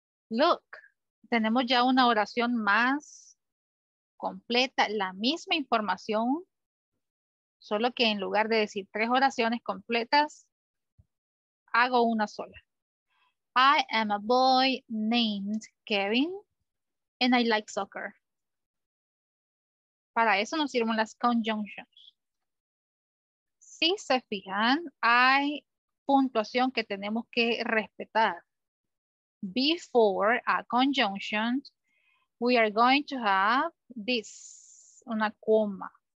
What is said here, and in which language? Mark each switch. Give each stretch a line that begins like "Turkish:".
Spanish: Look, tenemos ya una oración más completa, la misma información, solo que en lugar de decir tres oraciones completas, hago una sola.
English: I am a boy named Kevin and I like soccer.
Spanish: Para eso nos sirven las conjunctions. Si se fijan, hay puntuación que tenemos que respetar.
English: Before a conjunction, we are going to have this,
Spanish: una coma.